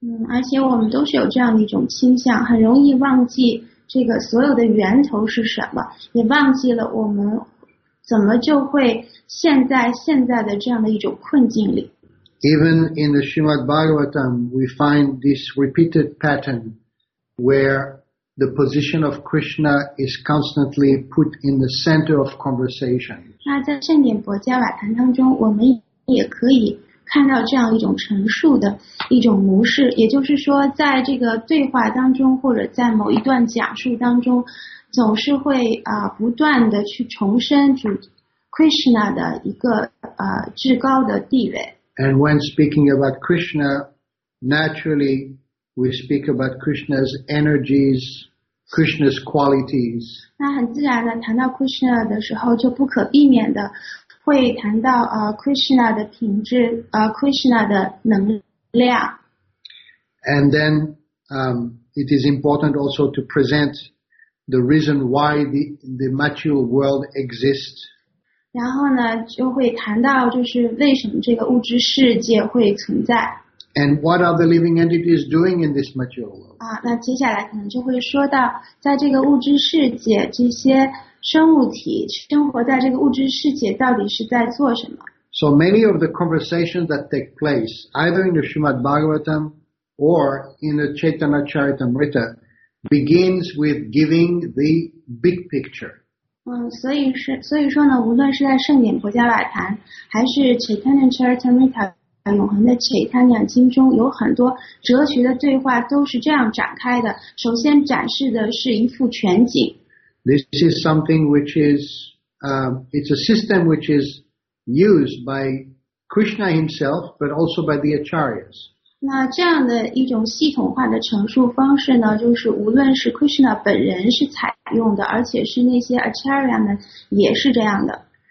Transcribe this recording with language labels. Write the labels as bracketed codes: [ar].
[zh] 而且我们都是有这样的一种倾向很容易忘记这个所有的源头是什么也忘记了我们怎么就会陷在现在的这样的一种困境里。 [en] Even in the Srimad Bhagavatam, we find this repeated pattern where the position of Krishna is constantly put in the center of conversation. [zh] 那在圣典薄伽瓦坛当中，我们也可以看到这样一种陈述的一种模式，也就是说，在这个对话当中，或者在某一段讲述当中，总是会不断的去重申主 Krishna 的一个至高的地位。 [en] And when speaking about Krishna, naturally we speak about Krishna's energies, Krishna's qualities. [zh] 那很自然的谈到 Krishna 的时候，就不可避免的会谈到Krishna 的品质，Krishna 的能量。 [en] And then it is important also to present the reason why the material world exists. [zh] 然后呢，就会谈到就是为什么这个物质世界会存在。 [en] And what are the living entities doing in this material world? [zh] 啊，那接下来可能就会说到，在这个物质世界，这些生物体生活在这个物质世界到底是在做什么。 [en] So many of the conversations that take place, either in the Srimad Bhagavatam or in the Chaitanya Charitamrita, begins with giving the big picture. [zh] 所以说呢，无论是在圣典薄伽瓦坛，还是 Chaitanya Charitamrita 永恒的 Chaitanya 经中，有很多哲学的对话都是这样展开的。首先展示的是一幅全景。 [en] This is something which is, it's a system which is used by Krishna himself, but also by the Acharyas. [zh] 那这样的一种系统化的陈述方式呢，就是无论是 Krishna 本人是采用的，而且是那些 Acharya 们也是这样的。